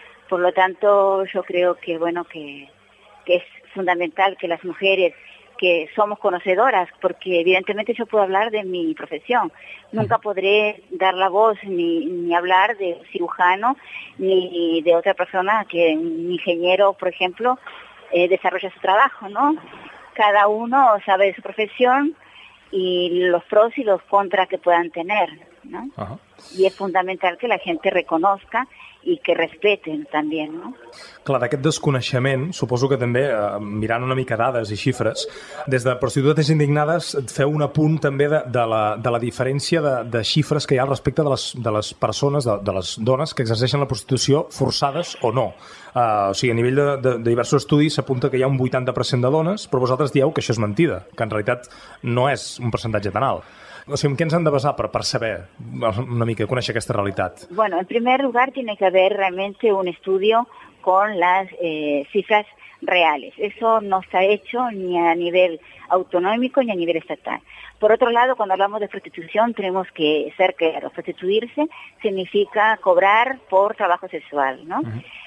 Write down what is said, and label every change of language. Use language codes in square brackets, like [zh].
[es] Por lo tanto, yo creo que bueno que es fundamental que las mujeres que somos conocedoras, porque evidentemente yo puedo hablar de mi profesión, nunca podré dar la voz ni hablar de un cirujano ni de otra persona que un ingeniero, por ejemplo, desarrolla su trabajo, ¿no? Cada uno sabe de su profesión y los pros y los contras que puedan tener, ¿no? Ajá. Y es fundamental que la gente reconozca y que respeten también, ¿no? [ca] Clar, d'aquest desconeixement, suposo que també, mirant una mica dades i xifres, des de Prostitutes Indignades feu un apunt també de la diferència de xifres que hi ha al respecte de les persones, de les dones que exerceixen la prostitució forçades o no. A nivell de diversos estudis s'apunta que hi ha un 80% de dones, però vosaltres dieu que això és mentida, que en realitat no és un percentatge tan alt. O sigui, en què ens han de basar per saber una mica, conèixer aquesta realitat? [es] Bueno, en primer lugar tiene que haber realmente un estudio con las cifras reales. Eso no está hecho ni a nivel autonómico ni a nivel estatal. Por otro lado, cuando hablamos de prostitución tenemos que ser claros. Prostituirse significa cobrar por trabajo sexual, ¿no? Uh-huh.